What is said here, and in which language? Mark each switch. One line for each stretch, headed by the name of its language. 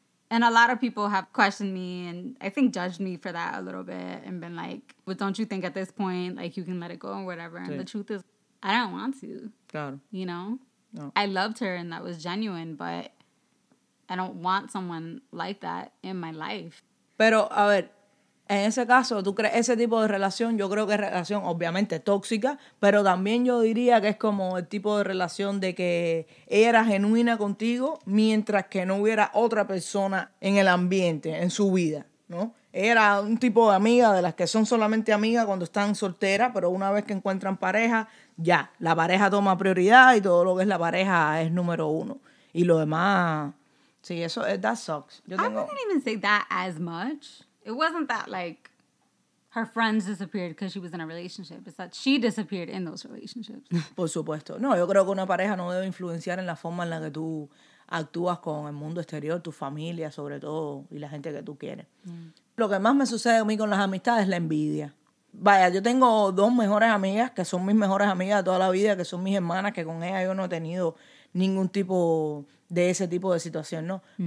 English: And a lot of people have questioned me and I think judged me for that a little bit and been like, but don't you think at this point, like, you can let it go or whatever? And the truth is, I don't want to. You know? No. I loved her and that was genuine, but I don't want someone like that in my life.
Spanish: Pero, a ver, en ese caso, ¿tú crees ese tipo de relación? Yo creo que es relación, obviamente, tóxica, pero también yo diría que es como el tipo de relación de que ella era genuina contigo mientras que no hubiera otra persona en el ambiente, en su vida, ¿no? Ella era un tipo de amiga de las que son solamente amigas cuando están solteras, pero una vez que encuentran pareja, ya, la pareja toma prioridad y todo lo que es la pareja es número uno. Y lo demás, sí, eso,
English: that sucks.
Spanish: Yo tengo...
English: I wouldn't even say that as much. It wasn't that, like, her friends disappeared because she was in a relationship. It's that she disappeared in those relationships.
Spanish: Por supuesto. No, yo creo que una pareja no debe influenciar en la forma en la que tú actúas con el mundo exterior, tu familia, sobre todo, y la gente que tú quieres. Mm. Lo que más me sucede a mí con las amistades es la envidia. Vaya, yo tengo dos mejores amigas, que son mis mejores amigas de toda la vida, que son mis hermanas, que con ellas yo no he tenido ningún tipo de ese tipo de situación, ¿no? Mm.